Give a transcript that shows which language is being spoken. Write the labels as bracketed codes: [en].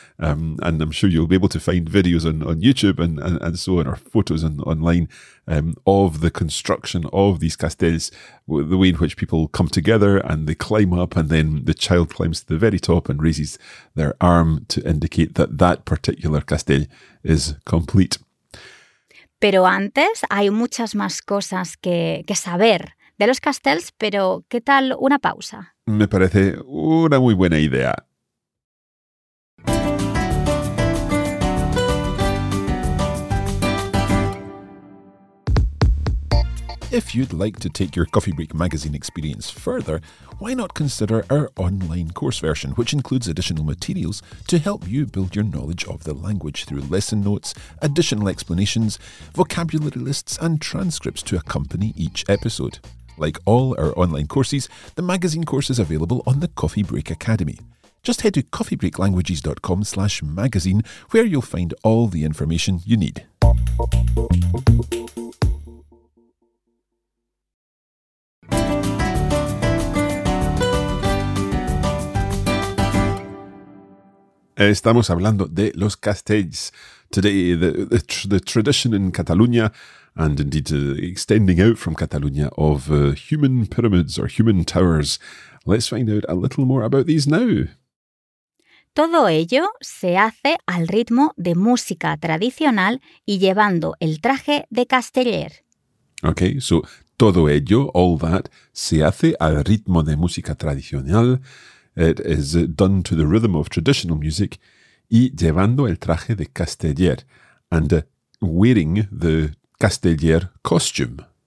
[en] And I'm sure you'll be able to find videos on YouTube and so on, or photos online of the construction of these castells, the way in which people come together and they climb up and then the child climbs to the very top and raises their arm to indicate that particular castell is complete. [es] Pero antes hay muchas más cosas que saber de los castells, pero ¿qué tal una pausa? Me parece una muy buena idea. [en] If you'd like to take your Coffee Break magazine experience further, why not consider our online course version, which includes additional materials to help you build your knowledge of the language through lesson notes, additional explanations, vocabulary lists, and transcripts to accompany each episode. Like all our online courses, the magazine course is available on the Coffee Break Academy. Just head to coffeebreaklanguages.com/magazine, where you'll find all the information you need. [es] Estamos hablando de los castells. [en] Today, the tradition in Catalonia, and indeed extending out from Catalonia, of human pyramids or human towers. Let's find out a little more about these now. [es] Todo ello se hace al ritmo de música tradicional y llevando el traje de casteller. [en] Okay, so [es] todo ello, [en] all that, [es] se hace al ritmo de música tradicional. [en] It is done to the rhythm of traditional music, [es] y llevando el traje de casteller, [en] and wearing the casteller costume.